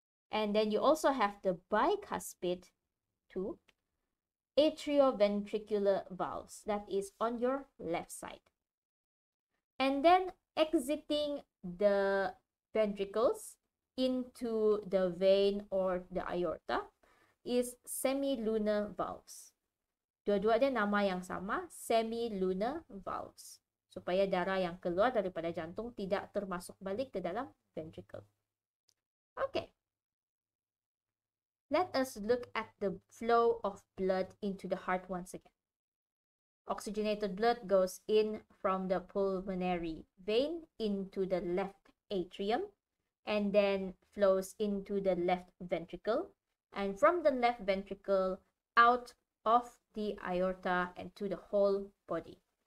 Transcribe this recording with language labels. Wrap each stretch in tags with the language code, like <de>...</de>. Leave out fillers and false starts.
<en>And then you also have the bicuspid, two, atrioventricular valves, that is on your left side. And then exiting the ventricles into the vein or the aorta is semilunar valves.</en> <ms>Dua-dua dia nama yang sama, semilunar valves. Supaya darah yang keluar daripada jantung tidak termasuk balik ke dalam ventricle.</ms> <en>Okay. Let us look at the flow of blood into the heart once again. Oxygenated blood goes in from the pulmonary vein into the left atrium and then flows into the left ventricle and from the left ventricle out of the aorta and to the whole body.</en>